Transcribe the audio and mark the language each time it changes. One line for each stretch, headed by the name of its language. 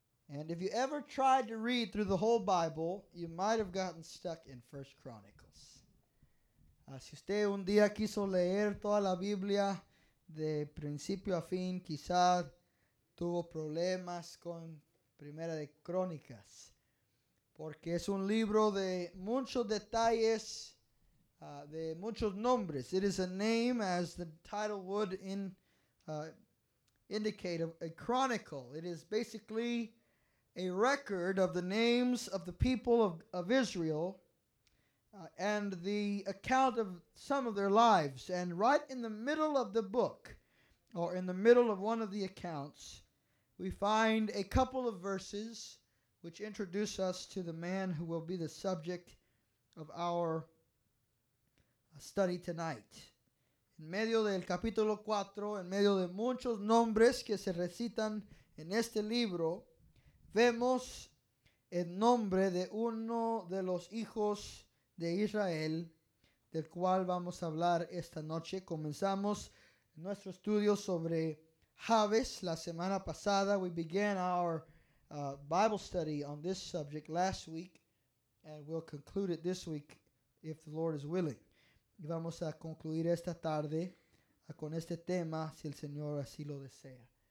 English: And if you ever tried to read through the whole Bible, you might have gotten stuck in 1 Chronicles.
Spanish: Si usted un día quiso leer toda la Biblia, de principio a fin, quizás tuvo problemas con Primera de Crónicas, porque es un libro de muchos detalles, de muchos nombres.
English: It is a name, as the title would indicate, a chronicle. It is basically a record of the names of the people of Israel and the account of some of their lives. And right in the middle of the book, or in the middle of one of the accounts, we find a couple of verses which introduce us to the man who will be the subject of our study tonight.
Spanish: En medio del capítulo 4, en medio de muchos nombres que se recitan en este libro, vemos el nombre de uno de los hijos de Israel, del cual vamos a hablar esta noche. Comenzamos nuestro estudio sobre Jabez la semana pasada.
English: We began our Bible study on this subject last week, and we'll conclude it this week if the Lord is willing.
Spanish: Y vamos a concluir esta tarde con este tema si el Señor así lo desea.